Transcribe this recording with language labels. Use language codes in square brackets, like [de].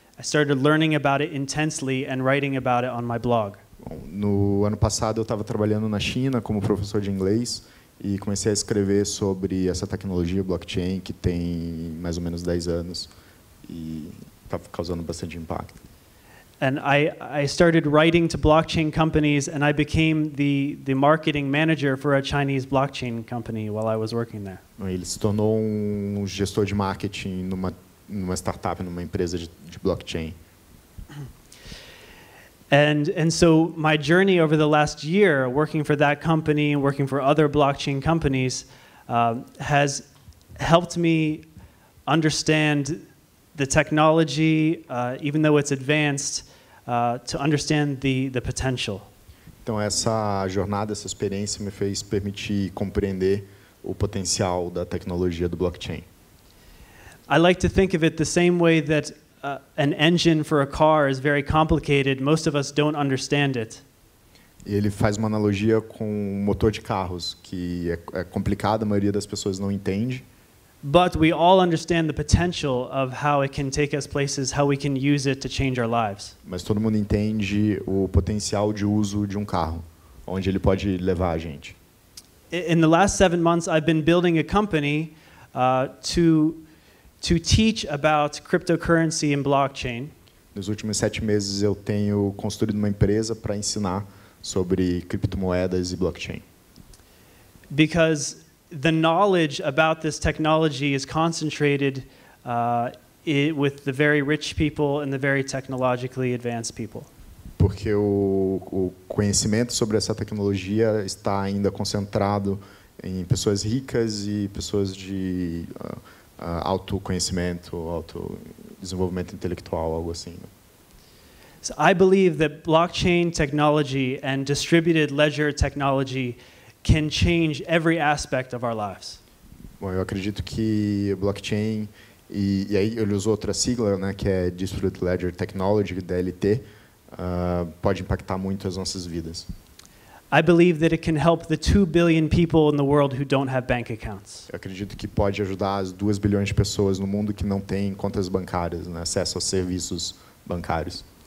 [en] I started learning about it intensely and writing about it on my blog. [pt] Bom, no ano passado, eu estava trabalhando na China como professor de inglês e comecei a escrever sobre essa tecnologia blockchain que tem mais ou menos 10 anos e está causando bastante impacto. [en] And I started writing to blockchain companies, and I became the marketing manager for a Chinese blockchain company while I was working there. [pt] Ele se tornou um gestor de marketing numa startup, numa empresa de blockchain. [en] And so my journey over the last year, working for that company and working for other blockchain companies, has helped me understand the technology, even though it's advanced, to understand the potential. [pt] Então essa jornada, essa experiência me fez permitir compreender o potencial da tecnologia do blockchain. [en] I like to think of it the same way that an engine for a car is very complicated. Most of us don't understand it. [pt] E ele faz uma analogia com um motor de carros que é complicado, a maioria das pessoas não entende. [en] But we all understand the potential of how it can take us places, how we can use it to change our lives. [pt] Mas todo mundo entende o potencial de uso de um carro, onde ele pode levar a gente. [en] In the last 7 months, I've been building a company to teach about cryptocurrency and blockchain. [pt] Nos últimos 7 meses, eu tenho construído uma empresa para ensinar sobre criptomoedas e blockchain. [en] Because the knowledge about this technology is concentrated with the very rich people and the very technologically advanced people. [pt] Porque o conhecimento sobre essa tecnologia está ainda concentrado em pessoas ricas e pessoas de autoconhecimento, autodesenvolvimento intelectual, algo assim. [en] So I believe that blockchain technology and distributed ledger technology can change every aspect of our lives. [pt] Bom, eu acredito que blockchain e aí ele usou outra sigla, né, que é Distributed Ledger Technology, DLT, pode impactar muito as nossas vidas. [en] I believe that it can help the 2 billion people in the world who don't have bank accounts. [pt] Eu acredito que pode ajudar as 2 bilhões de pessoas no mundo que não têm contas bancárias, né, acesso aos serviços bancários.